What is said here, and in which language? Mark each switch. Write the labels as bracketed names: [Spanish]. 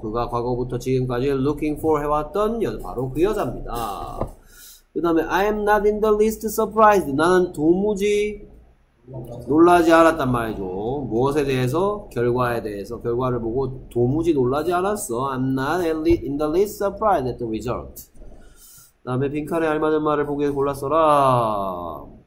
[Korean] 그가 과거부터 지금까지 [English] looking for [Korean] 해왔던 바로 그 여자입니다. 그 다음에 [English] I am not in the least surprised. [Korean] 나는 도무지 놀라지 않았단 말이죠. 무엇에 대해서? 결과에 대해서. 결과를 보고 도무지 놀라지 않았어. [English] I'm not in the least surprised at the result. [Korean] 다음에 빈칸에 알맞은 말을 보기에 골랐어라.